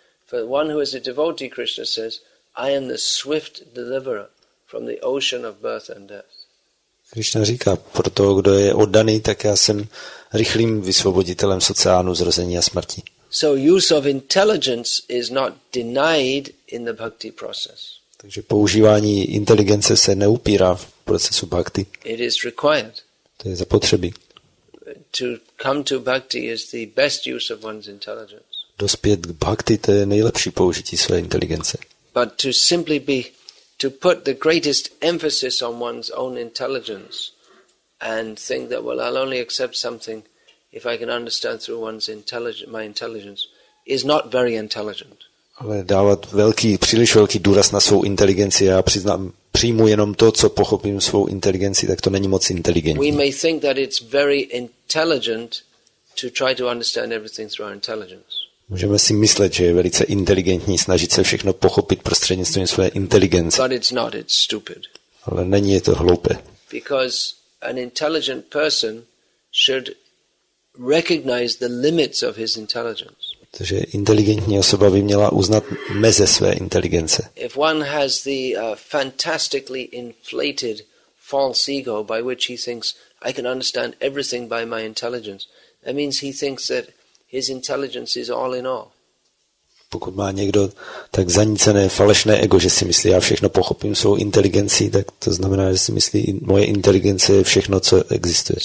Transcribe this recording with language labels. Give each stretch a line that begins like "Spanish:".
English: For one who is a devotee, Krishna says, I am the swift deliverer from the ocean of birth and death.
Czech: Krishna říká, pro toho, kdo je oddaný, tak já jsem rychlým vysvoboditelem z oceánu zrození a smrti.
English: So use of intelligence is not denied in the bhakti process.
Czech: Takže používání inteligence se neupírá v procesu bhakti.
English: It is required.
Czech: To je zapotřebí.
English: To come to bhakti is the best use of one's intelligence.
Czech: Dospět k bhakti, to je nejlepší použití své inteligence.
English: But to simply be to put the greatest emphasis on one's own intelligence and think that, well, I'll only accept something if I can understand through one's intelligence, my intelligence, is not very intelligent.
Czech: Ale dávat velký, příliš velký důraz na svou inteligenci, já přiznám, přijmu jenom to, co pochopím svou inteligenci, tak to není moc inteligentní.
English: We may think that it's very intelligent to try to understand everything through our intelligence.
Czech: Můžeme si myslet, že je velice inteligentní snažit se všechno pochopit prostřednictvím své inteligence.
English: But it's not, it's stupid.
Czech: Ale není to hloupé.
English: Because an intelligent person should recognize the limits of his intelligence.
Czech: Takže inteligentní osoba by měla uznat meze své inteligence.
English: If one has the fantastically inflated false ego by which he thinks I can understand everything by my intelligence, that means he thinks that his intelligence is all in all.
Czech: Pokud má někdo tak zanícené falešné ego, že si myslí, já všechno pochopím svou inteligencí, tak to znamená, že si myslí, moje inteligence je všechno, co existuje.